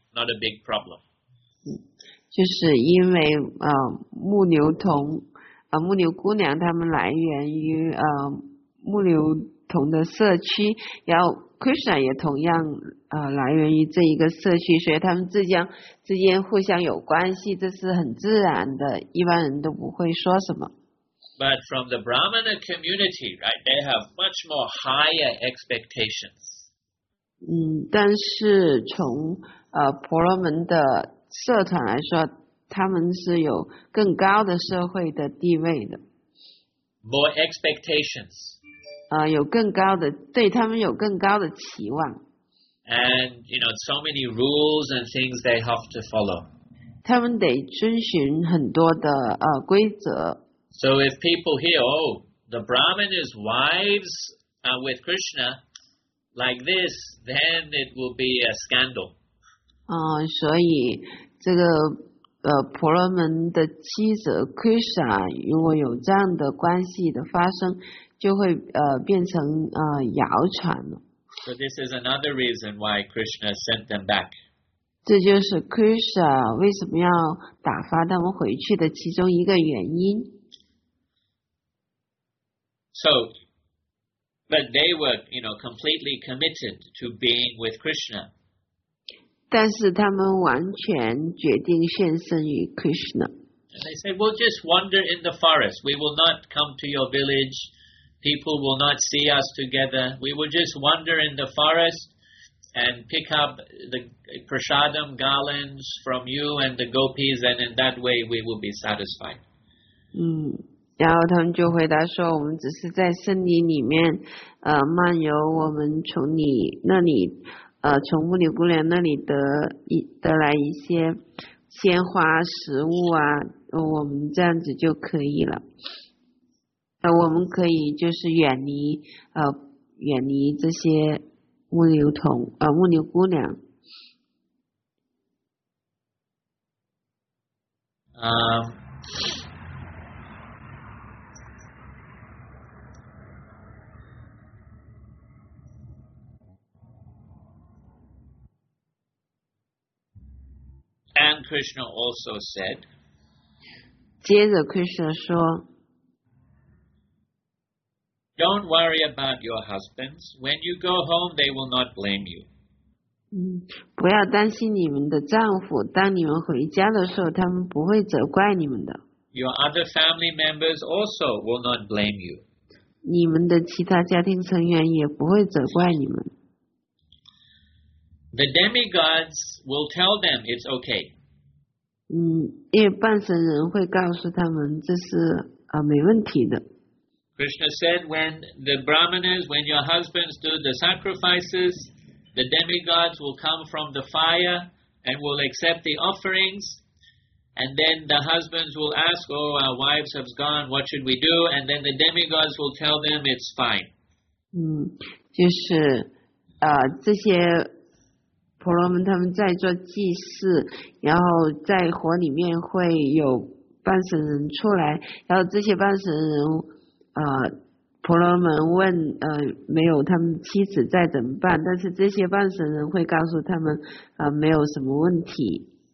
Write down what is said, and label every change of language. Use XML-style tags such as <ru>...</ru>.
<en>Not a big problem.</en> <zh>就是因为牧牛童牧牛姑娘他们来源于牧牛童的社区，然后 Krishna 也同样来源于这一个社区，所以他们之间互相有关系，这是很自然的，一般人都不会说什么。</zh> <en>But from the Brahmana community, right, they have much more higher expectations.</en> <zh>但是从婆罗门的社团来说，他们是有更高的社会的地位的。</zh> <en>More expectations.</en> <zh>有更高的，对他们有更高的期望。</zh> <en>And, you know, so many rules and things they have to follow.</en> <zh>他们得遵循很多的规则。</zh> <en>So if people hear, oh, the Brahmana's wives are with Krishna like this, then it will be a scandal.</en> <zh>所以这个婆罗门的妻子 Krishna 如果有这样的关系的发生，就会变成谣传了。</zh> <en>So this is another reason why Krishna sent them back.</en> <zh>这就是 Krishna 为什么要打发他们回去的其中一个原因。</zh> <en>So, but they were, you know, completely committed to being with Krishna.</en> <zh>但是他们完全决定献身于 Krishna.</zh> <en>And they say, we'll just wander in the forest. We will not come to your village. People will not see us together. We will just wander in the forest and pick up the prasadam garlands from you and the gopis, and in that way we will be satisfied.</en> <zh>然后他们就回答说，我们只是在森林里面漫游，我们从你那里从牧牛姑娘那里得来一些鲜花食物啊，我们这样子就可以了。我们可以就是远离这些牧牛姑娘。</zh> <en>And Krishna also said,</en> <zh>接着 Krishna 说</zh> <en>Don't worry about your husbands. When you go home, they will not blame you.</en> <zh>不要担心你们的丈夫，当你们回家的时候，他们不会责怪你们的。</zh> <en>Your other family members also will not blame you.</en> <zh>你们的其他家庭成员也不会责怪你们。</zh> <en>The demigods will tell them it's okay.</en> <zh>因为半神人会告诉他们这是没问题的。</zh> <en>Krishna said, when the brahmanas, when your husbands do the sacrifices, the demigods will come from the fire and will accept the offerings, and then the husbands will ask, oh, our wives have gone, what should we do? And then the demigods will tell them it's fine.</en> <zh>就是这些婆罗门他们在做祭祀，然后在火里面会有半神人出来，然后这些半神人婆罗门问没有他们妻子在怎么办，但是这些半神人会告诉他们没有什么问题。</zh>